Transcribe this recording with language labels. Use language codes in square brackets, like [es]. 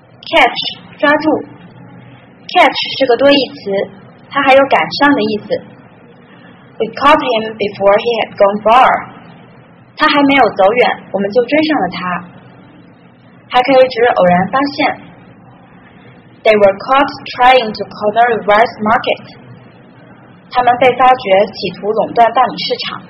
[en] Catch, [zh] 抓住。Catch 是个多义词，它还有赶上的意思。 [en] We caught him before he had gone far. [zh] 他还没有走远，我们就追上了他。还可以指偶然发现。 [en] They were caught trying to corner the rice market. [zh] 他们被发觉企图垄断大米市场。